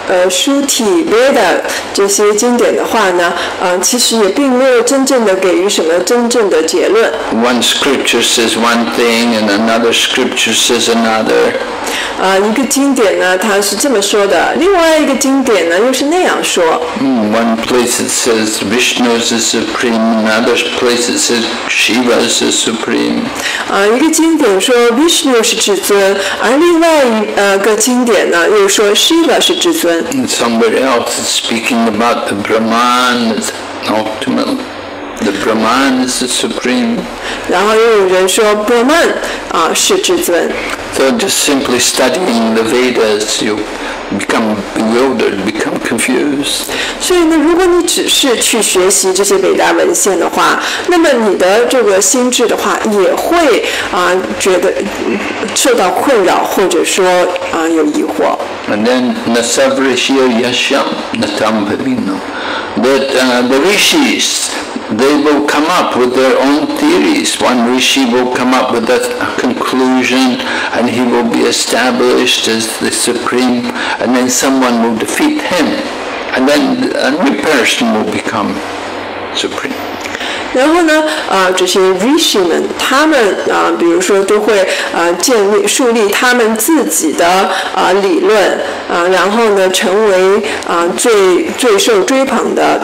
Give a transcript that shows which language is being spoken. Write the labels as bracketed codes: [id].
[zh] 书体 Veda 这些经典的话呢，其实也并没有真正的给予什么真正的结论。 [en] One scripture says one thing, and another scripture says another. [zh] 一个经典呢，它是这么说的；另外一个经典呢，又是那样说。 [en] One place it says Vishnu is the supreme, another place it says Shiva is the supreme. [zh] 一个经典说 Vishnu 是至尊，而另外个经典呢，又说是。 [en] And somewhere else is speaking about the Brahman is ultimate. The Brahman is the supreme. [zh] 然后又有人说 Brahman 是至尊。 [en] So just simply studying the Vedas, you become bewildered, become confused. [zh] 所以呢，如果你只是去学习这些伟大文献的话，那么你的这个心智的话也会觉得受到困扰，或者说有疑惑。 [en] And then [sa] Nasavrishya Yasham Natam Vibhino. [en] That the rishis, they will come up with their own theories. One rishi will come up with a conclusion and he will be established as the supreme. And then someone will defeat him. And then a new person will become supreme. [zh] 然后呢，这些 Rishi 们，他们比如说都会建立、树立他们自己的理论，然后呢，成为最受追捧的。